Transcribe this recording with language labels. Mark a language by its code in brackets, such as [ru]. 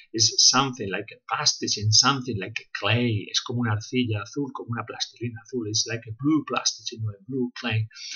[en] It's something like a plasticine, something like a clay. [es] Es como una arcilla azul, como una plastilina azul. [en] It's like a blue plasticine or a blue clay.